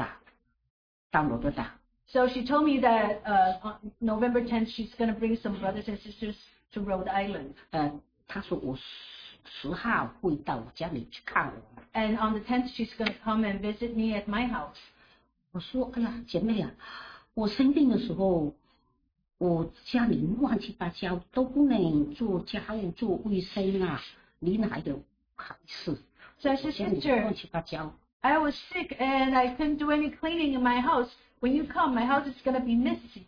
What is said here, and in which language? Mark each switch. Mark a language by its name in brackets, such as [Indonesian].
[Chinese] 她就对我讲，我十一月十号会带几位姐妹到罗德岛。 [English] So she told me that November 10th, she's going to bring some brothers and sisters to Rhode Island. [Chinese] 她说我 十号会到我家里去看我。 [English] And on the 10th, she's going to come and visit me at my house. [Chinese] 我说，哎呀，姐妹啊，我生病的时候，我家里乱七八糟，都不能做家务、做卫生啊，你哪有好意思？ [English] So I said, sister, I was sick and I couldn't do any cleaning in my house. When you come, my house is going to be messy.